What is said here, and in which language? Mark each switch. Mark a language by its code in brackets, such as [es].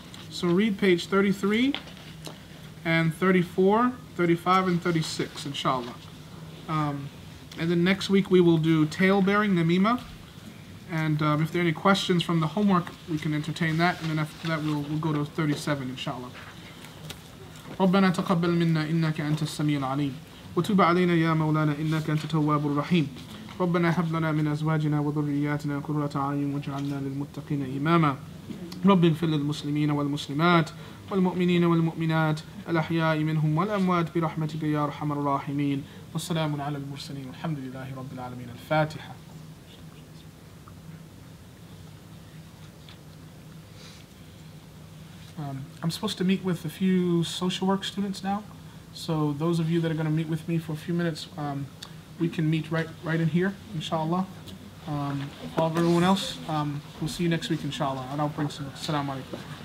[en] So read page 33 and 34, 35 and 36, inshallah. And then next week we will do tale-bearing, namima. And if there are any questions from the homework, we can entertain that. And then after that we'll go to 37, inshallah. [ar] رَبَّنَا تَقَبَّلْ مِنَّا إِنَّكَ أَنْتَ السَّمِيعُ الْعَلِيمُ وتوب علينا يا مولانا إنك أنت التواب الرحيم ربنا هب لنا من أزواجنا وذرياتنا قرة أعين واجعلنا للمتقين إماما رب اغفر للمسلمين والمسلمات والمؤمنين والمؤمنات الأحياء منهم والأموات برحمتك يا أرحم الراحمين والسلام على المرسلين والحمد لله رب العالمين الفاتحة [en] I'm supposed to meet with a few social work students now. So those of you that are going to meet with me for a few minutes, we can meet right in here, inshallah. All of everyone else, we'll see you next week, inshallah. And I'll bring some. Assalamu alaikum.